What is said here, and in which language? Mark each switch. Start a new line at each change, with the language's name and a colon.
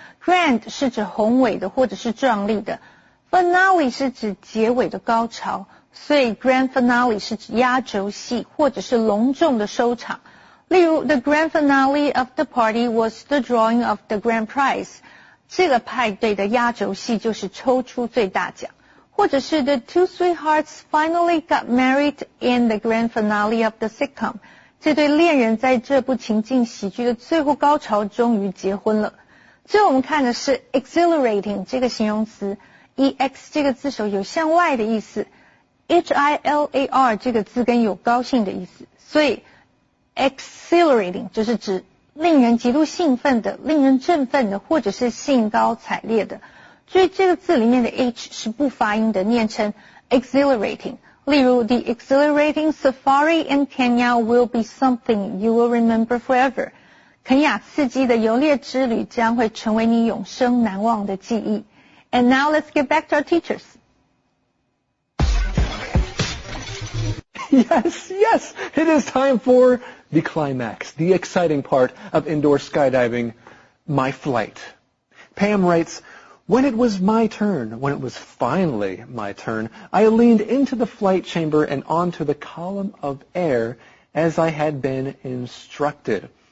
Chinese: Grand 是指宏伟的或者是壮丽的。Finale 是指结尾的高潮。所以 grand finale 是指压轴戏或者是隆重的收场。例如
English: the grand finale of the party was the drawing of the grand prize.
Chinese: 这个派对的压轴戏就是抽出最大奖。或者是
English: the two sweethearts finally got married in the grand finale of the sitcom.
Chinese: 这对恋人在这部情景喜剧的最后高潮终于结婚了。最后我们看的是 exhilarating 这个形容词。 EX 这个字首有向外的意思。 H-I-L-A-R 这个字根有高兴的意思，所以 exhilarating 就是指令人极度兴奋的、令人振奋的或者是兴高采烈的。所以这个字里面的 H 是不发音的，念成 exhilarating。例如,
English: the exhilarating safari in Kenya will be something you will remember forever.
Chinese: 肯亚刺激的游猎之旅将会成为你永生难忘的记忆.
English: And now let's get back to our teachers. Yes, yes, it is time for the climax, the exciting part of indoor skydiving, my flight. Pam writes, when it was my turn, when it was finally my turn, I leaned into the flight chamber and onto the column of air as I had been instructed.